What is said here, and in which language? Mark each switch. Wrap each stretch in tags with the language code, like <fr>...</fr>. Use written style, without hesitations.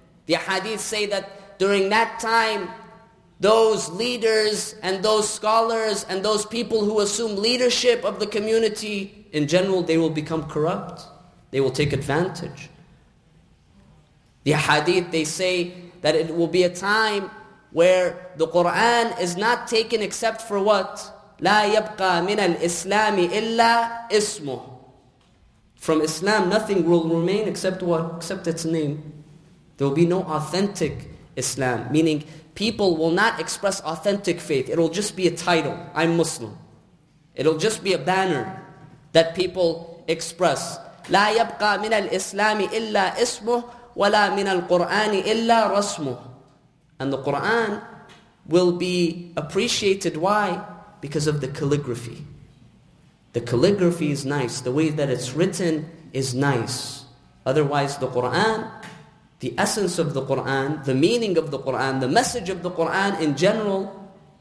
<en>The hadith say that during that time, those leaders and those scholars and those people who assume leadership of the community, in general, they will become corrupt. They will take advantage. The hadith, they say that it will be a time where the Qur'an is not taken except for what?</en> <ar>لا يبقى من الإسلام إلا اسمه.</ar> <en>From Islam, nothing will remain except what? Except its name. There will be no authentic Islam. Meaning, people will not express authentic faith. It will just be a title. I'm Muslim. It will just be a banner that people express.</en> <ar>لا يبقى من الإسلام إلا اسمه ولا من القرآن إلا رسمه.</ar> <en>And the Qur'an will be appreciated. Why? Because of the calligraphy. The calligraphy is nice. The way that it's written is nice. Otherwise, the Qur'an, the essence of the Qur'an, the meaning of the Qur'an, the message of the Qur'an in general,</en>